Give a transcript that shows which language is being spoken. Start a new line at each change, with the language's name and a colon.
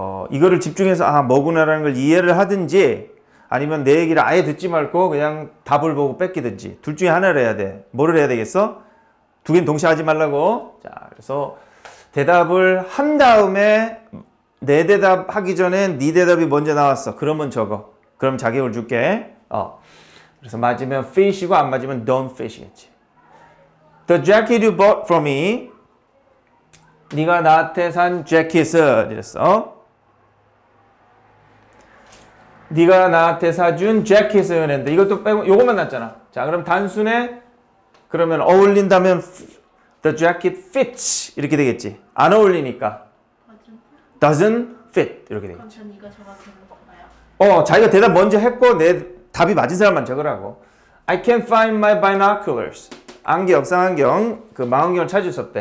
Korean: 이거를 집중해서 아 뭐구나라는 걸 이해를 하든지 아니면 내 얘기를 아예 듣지 말고 그냥 답을 보고 뺏기든지 둘 중에 하나를 해야 돼. 뭐를 해야 되겠어? 두 개는 동시에 하지 말라고. 자, 그래서 대답을 한 다음에 내 대답 하기 전에 네 대답이 먼저 나왔어. 그러면 적어. 그럼 자격을 줄게. 그래서 맞으면 fish이고 안 맞으면 don't fish겠지.
English: The jacket you bought for me.
Korean: 네가 나한테 산 jacket은 이랬어. 네가 나한테 사준 jacket은 했는데 이것도 빼고 이것만 났잖아. 자, 그럼 단순에 그러면 어울린다면
English: The jacket fits
Korean: 이렇게 되겠지. 안 어울리니까
English: doesn't fit
Korean: 이렇게 되겠지. 그럼 전 네가 적어주는 건가요? 자기가 대답 먼저 했고 내 답이 맞은 사람만 적으라고.
English: I can't find my binoculars.
Korean: 안경, 쌍안경 그 망원경을 찾을 수 없대.